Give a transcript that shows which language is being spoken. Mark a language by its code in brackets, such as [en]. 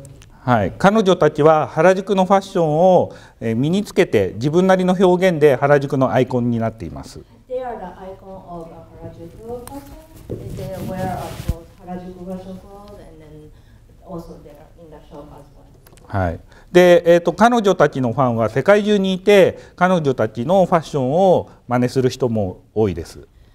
[ja] はい。彼女たちは原宿のファッションを身につけて自分なりの表現で原宿のアイコンになっています。 [en] They are the icon of the Harajuku fashion. They wear of those Harajuku fashion clothes and then also they're in the shop as well. [ja] はい、で彼女たちのファンは世界中にいて、彼女たちのファッションを真似する人も多いです。